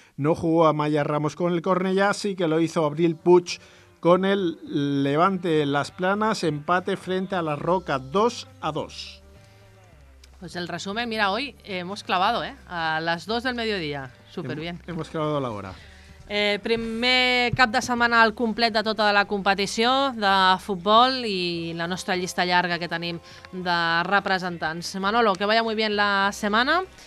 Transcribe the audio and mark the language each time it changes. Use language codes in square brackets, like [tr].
[es] No jugó Amaya Ramos con el Cornellà, sí que lo hizo Abril Puig con el Levante Las Planas. Empate frente a La Roca, 2-2. Pues el resumen, mira, hoy hemos clavado, ¿eh? A las 2 del mediodía. Súper bien. Hemos clavado la hora. [ca] Primer cap de setmana al complet de tota la competició de futbol i la nostra llista llarga que tenim de representants. [es] Manolo, que vaya muy bien la semana.